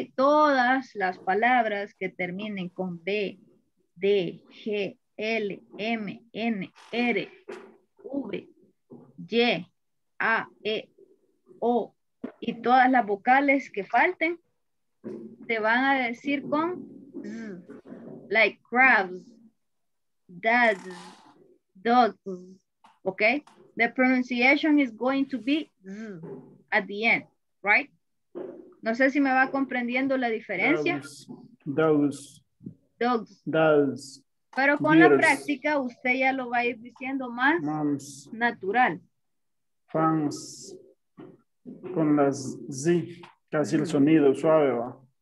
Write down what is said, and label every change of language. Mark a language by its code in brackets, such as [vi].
[es] Todas las palabras que terminen con B, D, G, L, M, N, R, V, Y, A, E, O y todas las vocales que falten, te van a decir con like crabs, dads, dogs, okay? [en] The pronunciation is going to be z at the end, right? [es] No sé si me va comprendiendo la diferencia. [en] Dogs. Dogs. [es] Pero con years. La práctica usted ya lo va a ir diciendo más [en] moms, [es] natural. [en] Fans. [es] Con las z, casi el sonido suave va.